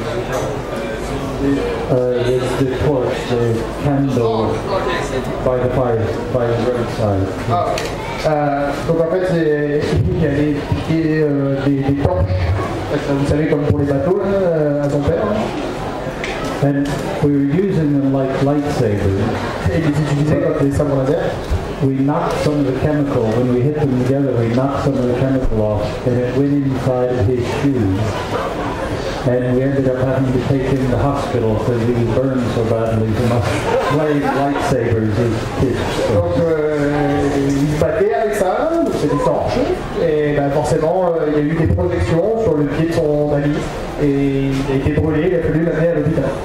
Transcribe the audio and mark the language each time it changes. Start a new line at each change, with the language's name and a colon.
English: It's the torch, the candle by the fire, by the roadside.
French: Donc en fait, c'est lui qui allait piquer des torches, vous savez, comme pour les bateaux, à son père.
English: And we were using them like lightsabers.
French: Et ils utilisaient comme des sabres laser.
English: We knocked some of the chemical, when we hit them together, we knocked some of the chemical off, and it went inside his shoes. And we ended up having to take him to the hospital because he was burned so badly from us playing lightsabers as kids.
French: Donc, il battait avec ça, c'est des torches, et ben forcément, il y a eu des projections sur le pied de son ami, et il a été brûlé, il a fallu l'amener à l'hôpital.